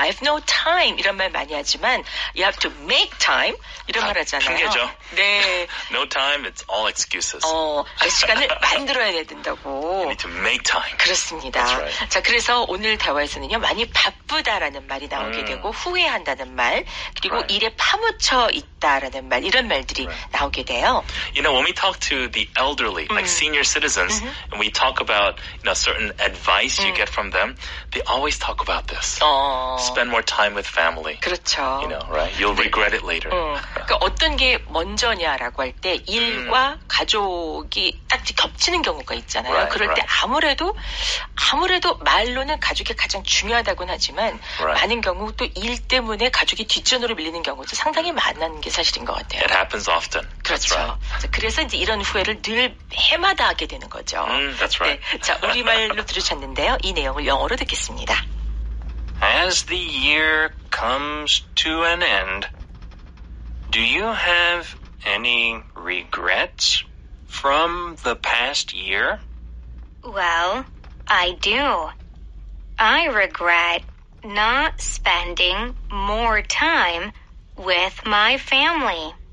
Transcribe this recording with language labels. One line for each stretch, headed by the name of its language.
English: I have no time
Korean: 이런 말 많이 하지만
English: you have to make time
Korean: 이런 말 하잖아요. 핑계죠. 네.
English: No time, it's all excuses.
Korean: 시간을 만들어야 된다고.
English: You need to make time.
Korean: 그렇습니다.
English: That's right.
Korean: 자, 그래서 오늘 대화에서는요. 많이 바쁘다라는 말이 나오게 되고 후회한다는 말 그리고
English: right.
Korean: 일에 파묻혀 있다라는 말 이런 말들이
English: right.
Korean: 나오게 돼요.
English: You know, when we talk to the elderly, like senior citizens, and we talk about you know, certain advice you get from them, they always talk about this. Spend more time with family.
Korean: 그렇죠.
English: You know, right? You'll regret it later.
Korean: 그러니까 어떤 게 먼저냐라고 할 때 일과 가족이 딱 겹치는 경우가 있잖아요.
English: Right,
Korean: 그럴
English: right.
Korean: 때 아무래도 말로는 가족이 가장 중요하다고는 하지만
English: right.
Korean: 많은 경우 또 일 때문에 가족이 뒷전으로 밀리는 경우도 상당히 많은 게 사실인 것 같아요.
English: It happens often.
Korean: 그렇죠.
English: Right.
Korean: 그래서 이제 이런 후회를 늘 해마다 하게 되는 거죠.
English: That's right.
Korean: 네. 자, 우리말로 들으셨는데요. 이 내용을 영어로 듣겠습니다.
English: As the year comes to an end, do you have any regrets from the past year? Well, I do. I regret not spending more time with my family.